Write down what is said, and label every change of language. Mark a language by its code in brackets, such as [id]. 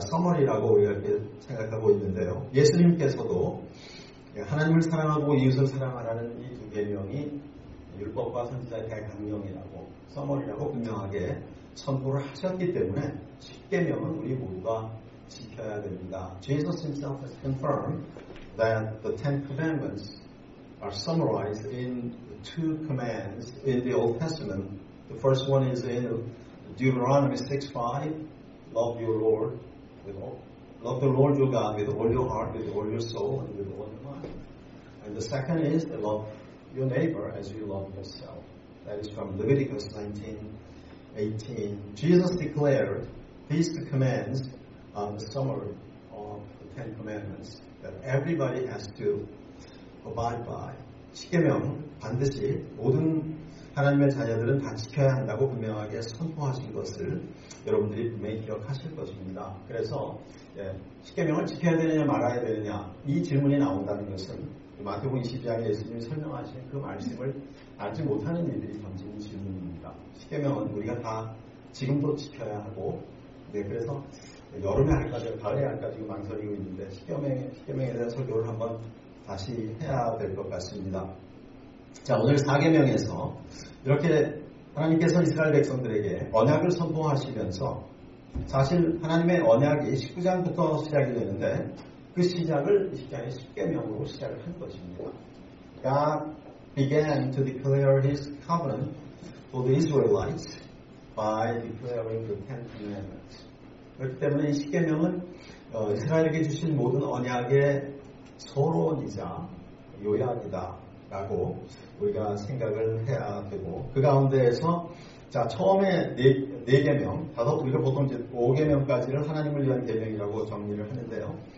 [ko] 서머리라고 우리가 이렇게 생각하고 있는데요. 예수님께서도 하나님을 사랑하고 이웃을 사랑하라는 이 두 계명이 율법과 선지자의 대강령이라고 서머리라고 분명하게 선포를 하셨기 때문에 10계명은 우리 모두가 지켜야 됩니다. [en] Jesus himself has confirmed that the Ten Commandments are summarized in two commands in the Old Testament. The first one is in Deuteronomy 6:5, love the Lord your God with all your heart, with all your soul, and with all your mind. And the second is to love your neighbor as you love yourself. That is from Leviticus 19:18. Jesus declared these two commands are the summary of the Ten Commandments that everybody has to abide by. [ko] 10계명 반드시 모든 하나님의 자녀들은 다 지켜야 한다고 분명하게 선포하신 것을 여러분들이 분명히 기억하실 것입니다. 그래서 10계명을 지켜야 되느냐 말아야 되느냐 이 질문이 나온다는 것은 마태복음 22장에 예수님이 설명하신 그 말씀을 알지 못하는 이들이 던지는 질문입니다. 10계명은 우리가 다 지금도 지켜야 하고 네, 그래서 여름에 할까지 가을에 할까지 망설이고 있는데 10계명에 대한 설교를 한번 다시 해야 될 것 같습니다. 자, 오늘 4계명에서 이렇게 하나님께서 이스라엘 백성들에게 언약을 선포하시면서 사실 하나님의 언약이 19장부터 시작이 되는데 그 시작을 20장의 10계명으로 시작을 한 것입니다. [en] God began to declare his covenant for the Israelites by declaring the Ten Commandments. [ko] 그렇기 때문에 이 10계명은 이스라엘에게 주신 모든 언약의 서론이자 요약이다 라고 우리가 생각을 해야 되고 그 가운데에서 자 처음에 4계명 다섯 우리가 보통 이제 5계명까지를 하나님을 위한 계명이라고 정리를 하는데요.